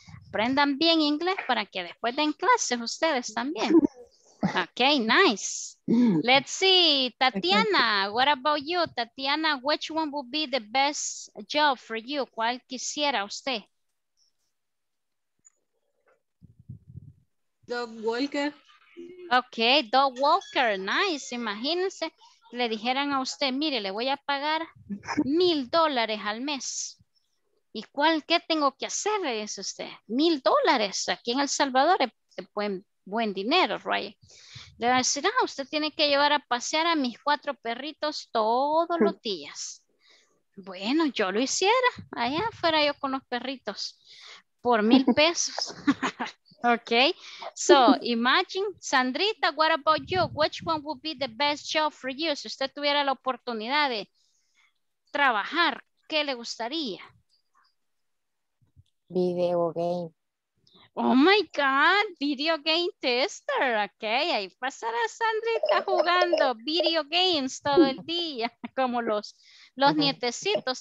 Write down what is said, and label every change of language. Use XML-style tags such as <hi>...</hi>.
<es>Aprendan bien inglés para que después den clases ustedes también.</es> <en>Okay, nice. Let's see, Tatiana, what about you? Tatiana, which one would be the best job for you?</en> <es>¿Cuál quisiera usted?</es> <en>Dog walker.</en> <es>Okay, dog walker, nice. Imagínense, le dijeran a usted, mire, le voy a pagar $1,000 al mes. ¿Y cuál, qué tengo que hacer? Le dice usted, $1,000 aquí en El Salvador, se pueden... buen dinero, right? Le va a decir, ah, usted tiene que llevar a pasear a mis cuatro perritos todos los días. Bueno, yo lo hiciera, allá fuera yo con los perritos, por $1,000.</es> <en>Ok, so imagine, Sandrita, what about you? Which one would be the best job for you?</en> <es>Si usted tuviera la oportunidad de trabajar, ¿qué le gustaría?</es> <en>Video game. Oh my God, video game tester.</en> <es>Okay, ahí pasará Sandrita jugando video games todo el día, como los nietecitos.</es>